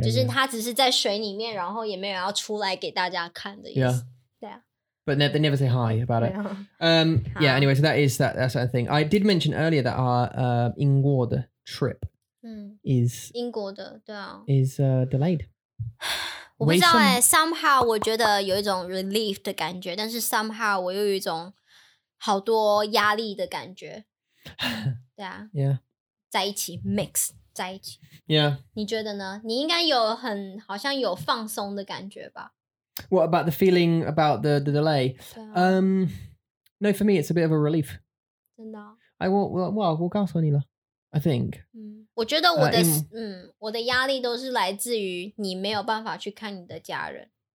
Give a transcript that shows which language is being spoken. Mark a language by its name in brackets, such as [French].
[Chinese] 就是他只是在水里面，然后也没有要出来给大家看的意思。 [English] But they never say hi about it. Anyway, so that sort of thing. I did mention earlier that our [Chinese] 英国的 [English] trip is [Chinese] 英国的，对啊， [English] is delayed. [Chinese] 我不知道 [English] somehow [Chinese] 我觉得有一种 [English] relief [Chinese] 的感觉，但是 [English] somehow [Chinese] 我又有一种好多压力的感觉。对啊。 [English] Yeah. [Chinese] 在一起 , [English] mix, [Chinese] 在一起。 [English] Yeah. [Chinese] 你觉得呢？你应该有很好像有放松的感觉吧。 [English] What about the feeling about the delay?、No, for me, it's a bit of a relief. [Chinese] 真的、哦、我告诉你了 [English] I think.、 [Chinese] 嗯、我觉得我的、我的压力都是来自于你没有办法去看你的家人。